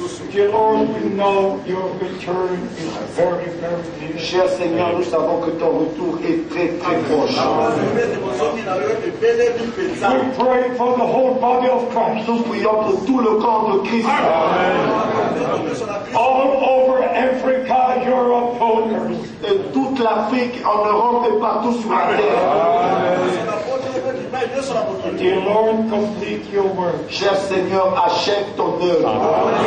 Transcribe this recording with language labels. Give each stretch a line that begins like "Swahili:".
English: Dear Lord, we know your return is very, very near.
French: Cher Seigneur, nous savons que ton retour est très, très proche.
English: We pray for the whole body of Christ.
French: Nous prions pour tout le corps de Christ.
English: All over Africa, Europe, holders.
French: Toute l'Afrique, en Europe et partout sur la terre.
English: Dear Lord, complete your work.
French: Cher Seigneur, achève ton œuvre.